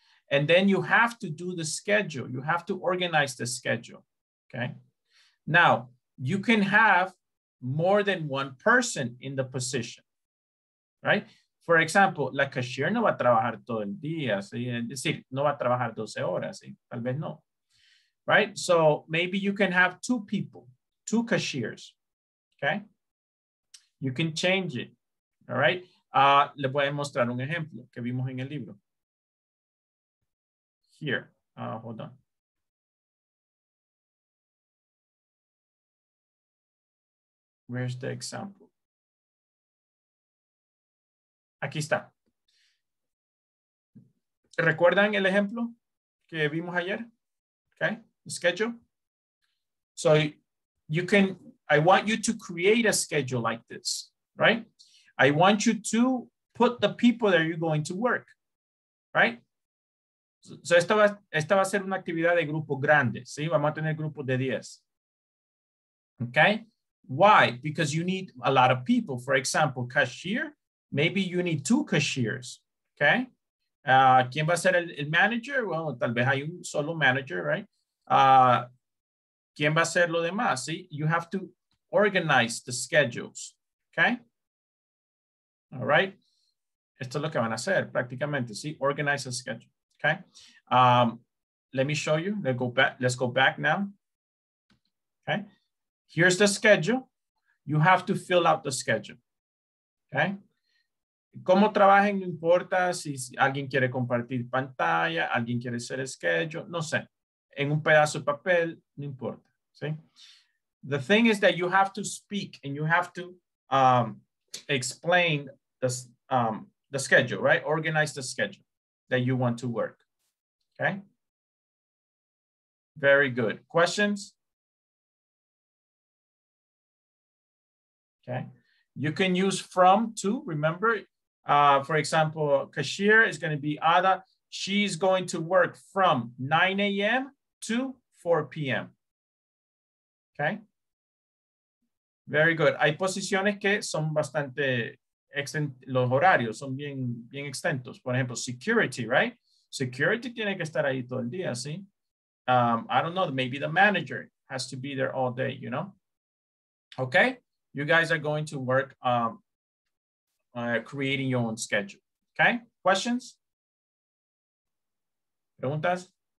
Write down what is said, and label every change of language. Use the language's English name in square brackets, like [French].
[English] And then you have to do the schedule. You have to organize the schedule, okay? Now, you can have more than one person in the position, right? For example, [Spanish] la cashier no va a trabajar todo el día, ¿sí? Es decir, no va a trabajar 12 horas, ¿sí? Tal vez no, right? [English] So maybe you can have two people, two cashiers, okay? You can change it, all right? [Spanish] Le voy a mostrar un ejemplo que vimos en el libro. [English] Here, hold on. Where's the example? [Spanish] Aquí está. ¿Recuerdan el ejemplo que vimos ayer? [English] Okay, the schedule. So you can, I want you to create a schedule like this, right? I want you to put the people that you're going to work, right? [Spanish] So esta va a ser una actividad de grupo grande, ¿sí? Vamos a tener grupos de 10. [English] Okay? Why? Because you need a lot of people. For example, cashier, maybe you need two cashiers, okay? [Spanish] ¿Quién va a ser el manager? Well, tal vez hay un solo manager, right? ¿Quién va a ser lo demás? [English] See, you have to organize the schedules, okay? All right? [Spanish] Esto es lo que van a hacer prácticamente, ¿sí? [English] Organize the schedule, okay? Let me show you. Let's go back now, okay? Here's the schedule. You have to fill out the schedule, okay? [Spanish] Cómo trabajen no importa, si alguien quiere compartir pantalla, alguien quiere hacer schedule, no sé. En un pedazo de papel, no importa. ¿Sí? [English] The thing is that you have to speak and you have to explain the schedule, right? Organize the schedule that you want to work. Okay? Very good. Questions? Okay. You can use from to, remember, for example, cashier is going to be Ada. She's going to work from 9 a.m. to 4 p.m. Okay. Very good. [Spanish] Hay posiciones que son bastante extensos, los horarios son bien, bien extensos. Por ejemplo, security, right? Security tiene que estar ahí todo el día, ¿sí? [English] I don't know, maybe the manager has to be there all day, you know? Okay. You guys are going to work creating your own schedule. Okay? Questions? [Spanish] Preguntas?